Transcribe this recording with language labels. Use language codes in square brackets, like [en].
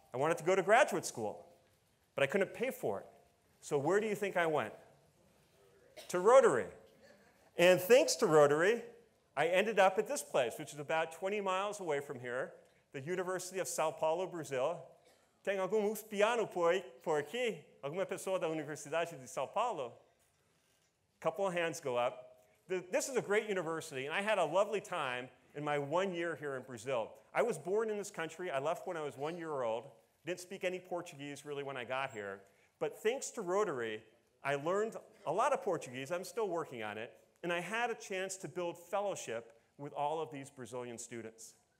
[en] I wanted to go to graduate school, but I couldn't pay for it. So where do you think I went? To Rotary. And thanks to Rotary, I ended up at this place, which is about 20 miles away from here, the University of São Paulo, Brazil. [pt] Tem algum espiano por aqui? Alguma pessoa da Universidade de São Paulo? [en] A couple of hands go up. This is a great university, and I had a lovely time in my 1 year here in Brazil. I was born in this country. I left when I was 1 year old. Didn't speak any Portuguese really when I got here. But thanks to Rotary, I learned a lot of Portuguese. I'm still working on it. And I had a chance to build fellowship with all of these Brazilian students.